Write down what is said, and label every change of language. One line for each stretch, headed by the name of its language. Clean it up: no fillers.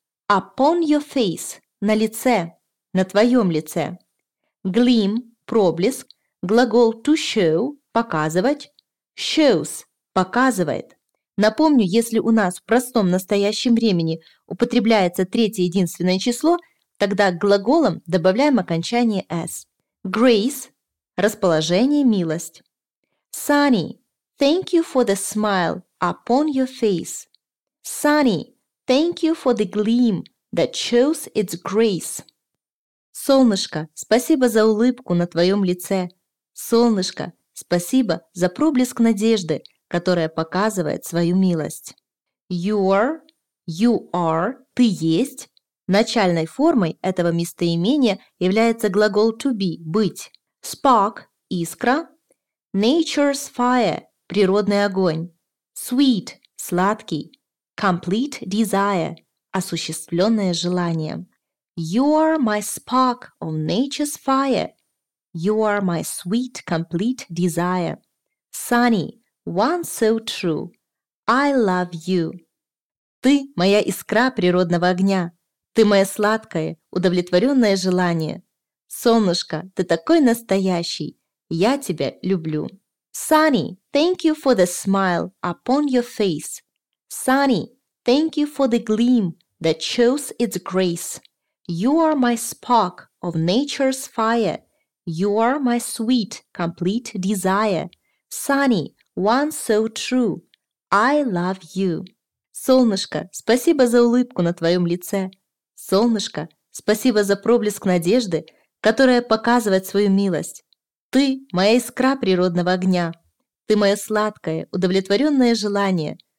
English: Upon your face
Russian: – на лице, на твоем лице. Gleam – проблеск. Глагол
English: to show
Russian: – показывать. Shows – показывает. Напомню, если у нас в простом настоящем времени употребляется третье единственное число, тогда к глаголам добавляем окончание s. Grace – расположение, милость.
English: Sunny – thank you for the smile upon your face. Sunny – thank you for the gleam that shows its grace.
Russian: Солнышко, спасибо за улыбку на твоем лице. Солнышко, спасибо за проблеск надежды, которая показывает свою милость.
English: You are,
Russian: ты есть. Начальной формой этого местоимения является глагол
English: to be,
Russian: быть. Spark, искра.
English: Nature's fire,
Russian: природный огонь. Sweet, сладкий.
English: Complete desire,
Russian: осуществленное желание.
English: You are my spark of nature's fire. You are my sweet complete desire. Sunny, one so true. I love you.
Russian: Ты моя искра природного огня. Ты мое сладкое, удовлетворенное желание. Солнышко, ты такой настоящий. Я тебя люблю.
English: Sunny, thank you for the smile upon your face. Sunny, thank you for the gleam that shows its grace. You are my spark of nature's fire. You are my sweet, complete desire. Sunny, one so true. I love you.
Russian: Солнышко, спасибо за улыбку на твоем лице. Солнышко, спасибо за проблеск надежды, которая показывает свою милость. Ты – моя искра природного огня. Ты – мое сладкое, удовлетворенное желание.